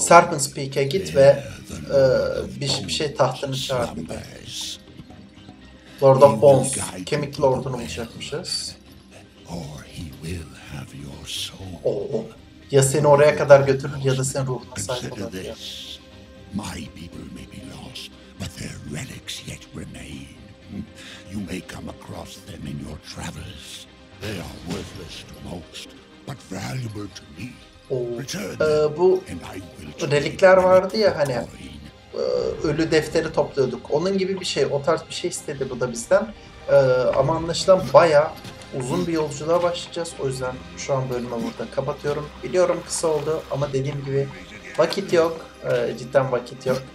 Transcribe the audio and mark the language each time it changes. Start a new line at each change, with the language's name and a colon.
Turkish: Serpent's Peak'e git ve bir şey tahtını çağır.
English: Lord of Bones.
Turkish: Kemik Lord'unu bulacakmışız.
English: Or he will have your soul.
Turkish: Ya seni oraya kadar götürür ya da sen ruhuna sahip olabilir.
English: My people may be lost, but their relics yet remain. You may come across them in your travels. They are worthless to most, but valuable to me.
Turkish: Bu relikler vardı ya hani, ölü defteri topluyorduk. Onun gibi bir şey, o tarz bir şey istedi bu da bizden. Ama anlaşılan bayağı uzun bir yolculuğa başlayacağız. O yüzden şu an bölümü burada kapatıyorum. Biliyorum kısa oldu ama dediğim gibi vakit yok. Cidden vakit yok.